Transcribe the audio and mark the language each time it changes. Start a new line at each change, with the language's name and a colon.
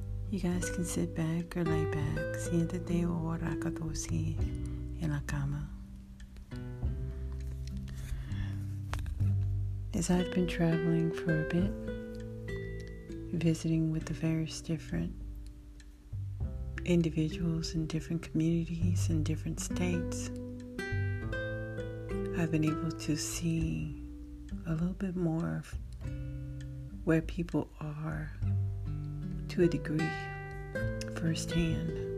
English: You guys can sit back or lay back.
Spanish: Siéntate o acostarse en la cama.
English: As I've been traveling for a bit, visiting with the various different individuals in different communities and different states, I've been able to see a little bit more of where people are to a degree firsthand.